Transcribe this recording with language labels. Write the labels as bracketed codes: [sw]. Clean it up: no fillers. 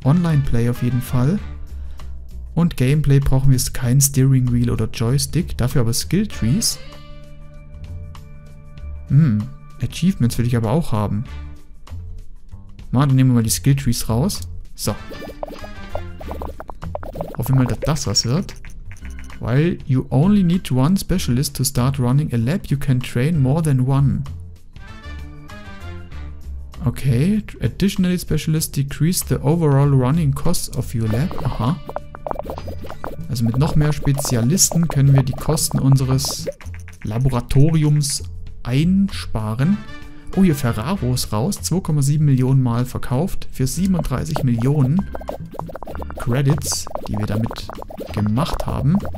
[de] Online Play auf jeden Fall. Und Gameplay brauchen wir jetzt kein Steering Wheel oder Joystick, dafür aber Skill Trees. Achievements will ich aber auch haben. Mal, dann nehmen wir mal die Skill Trees raus. So. Hoffen wir mal, dass das was wird. [en] While you only need one specialist to start running a lab, you can train more than one. Okay, additionally specialist decrease the overall running cost of your lab. Aha. [de] Also mit noch mehr Spezialisten können wir die Kosten unseres Laboratoriums einsparen. Oh, hier Ferraros raus. 2,7 Millionen Mal verkauft für 37 Millionen Credits, die wir damit gemacht haben.